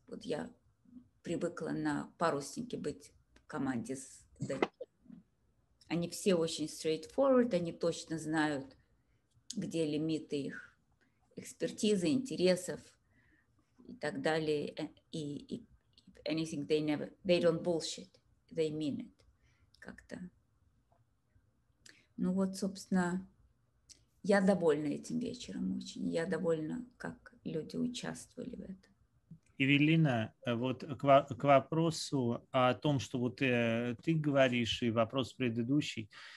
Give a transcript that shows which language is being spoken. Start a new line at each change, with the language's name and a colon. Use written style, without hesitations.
Russian: Вот я привыкла на паруснике быть в команде с Dutch. Они все очень straightforward, они точно знают, где лимиты их экспертизы, интересов и так далее. И
English: anything they never, they don't bullshit, they mean it.
Russian: Как-то. Ну вот, собственно, я довольна этим вечером очень. Я довольна, как люди участвовали в этом. Эвелина, вот к вопросу о том, что вот ты говоришь, и вопрос предыдущий.